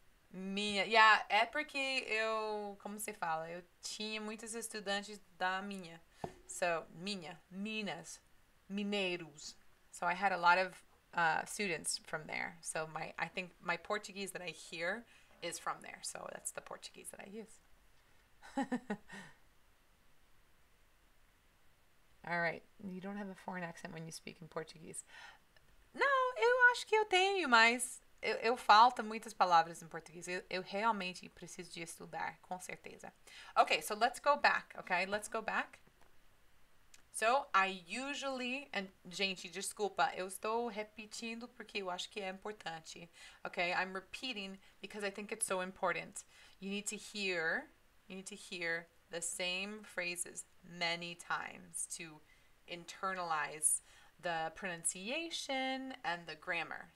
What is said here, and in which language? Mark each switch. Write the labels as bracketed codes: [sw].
[pt] Minha, yeah, é porque eu, como se fala, eu tinha muitos estudantes da minha. So, minha, Minas, mineiros. [en] So, I had a lot of students from there. So, I think my Portuguese that I hear is from there. So, that's the Portuguese that I use. All right, you don't have a foreign accent when you speak in Portuguese. [pt] No, eu acho que eu tenho, mas... Eu falta muitas palavras em português. Eu realmente preciso de estudar, com certeza. [en] Okay, so let's go back, okay? Let's go back. So, I usually... And, [pt] gente, desculpa. Eu estou repetindo porque eu acho que é importante. [en] Okay, I'm repeating because I think it's so important. You need to hear the same phrases many times to internalize the pronunciation and the grammar.